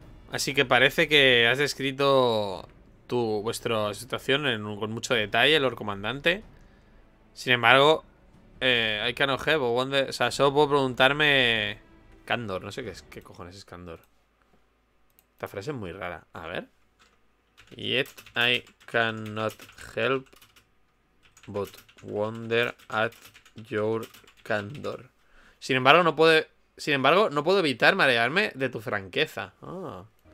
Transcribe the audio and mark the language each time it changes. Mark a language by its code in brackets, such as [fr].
[es] Así que parece que has descrito vuestra situación con mucho detalle, Lord Comandante. Sin embargo, [en] I can't help, [es] solo puedo preguntarme. Candor, no sé qué cojones es Candor. Esta frase es muy rara. A ver. [en] Yet I cannot help but wonder at your candor. [es] Sin embargo, no puedo evitar marearme de tu franqueza. Oh.